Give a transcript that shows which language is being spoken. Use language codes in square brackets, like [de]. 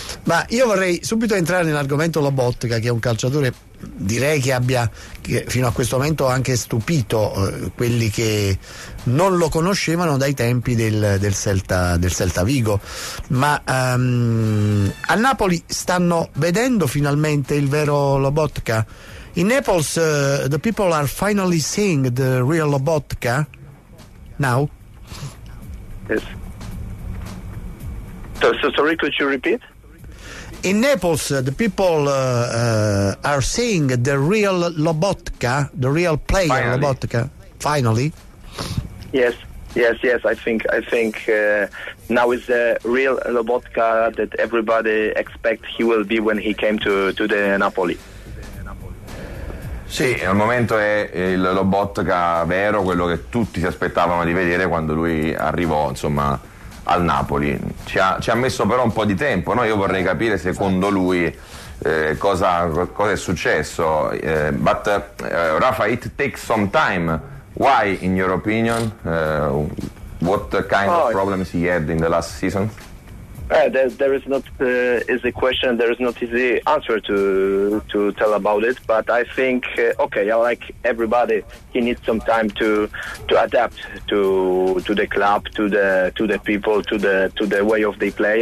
[it] Ma io vorrei subito entrare nell'argomento Lobotka, che è un calciatore, direi che abbia fino a questo momento anche stupito quelli che non lo conoscevano dai tempi del Celta Vigo. Ma a Napoli stanno vedendo finalmente il vero Lobotka? [en] In Naples the people are finally seeing the real Lobotka now. Yes. So, sorry, could you repeat? In Naples, the people are seeing the real Lobotka, the real player finally. Lobotka, finally. Yes, yes, yes. I think now is the real Lobotka that everybody expects he will be when he came to the Napoli. [it] Sì, al momento è il Lobotka vero, quello che tutti si aspettavano di vedere quando lui arrivò, insomma, al Napoli. Ci ha messo però un po' di tempo, no? Io vorrei capire secondo lui cosa è successo. [en] But Rafa, it takes some time. Why, in your opinion, what kind of problems he had in the last season? There is not easy question. There is not easy answer to tell about it. But I think like everybody, he needs some time to adapt to the club, to the people, to the way of the play.